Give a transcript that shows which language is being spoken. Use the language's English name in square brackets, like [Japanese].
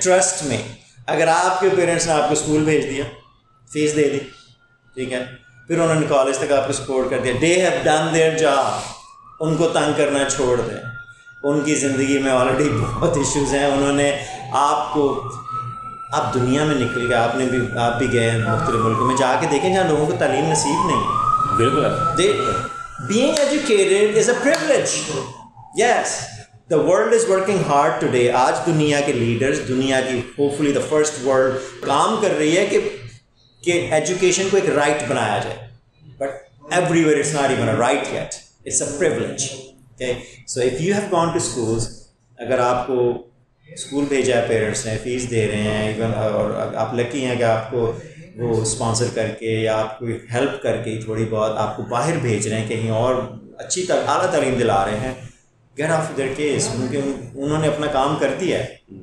[Urdu] Trust میں اگر آپ کے پیرنٹس نے آپ کو اسکول بھیج دیا، فیس دے دی، ٹھیک ہے، پھر انہوں نے کالج تک آپ کو سپورٹ کر دیا، [English] they have done their job, [Urdu] ان کو تنگ کرنا چھوڑ دیں، ان کی زندگی میں آلریڈی بہت ایشوز ہیں، انہوں نے آپ کو، آپ دنیا میں نکل گئے، آپ بھی گئے ہیں مختلف ملکوں میں، جا کے دیکھیں جہاں لوگوں کو تعلیم نصیب نہیں ہے. بالکل، [English] Being educated is a privilege. Yes, the world is working hard today. [Urdu] آج دنیا کے لیڈرز، دنیا کی [English] hopefully the first world [Urdu] کام کر رہی ہے کہ ایجوکیشن کو ایک رائٹ بنایا جائے، [English] But everywhere it's not even a right yet, it's a privilege. Okay, so if you have gone to schools, [Urdu] اگر آپ کو اسکول بھیجا ہے پیرنٹس نے، فیس دے رہے ہیں ایون، اور آپ لکی ہیں کہ آپ کو وہ اسپانسر کر کے یا آپ کو ہیلپ کر کے تھوڑی بہت آپ کو باہر بھیج رہے ہیں، کہیں اور اچھی اعلیٰ تعلیم دلا رہے ہیں، [English] get off their case, [Urdu] کیونکہ انہوں نے اپنا کام کر دیا ہے.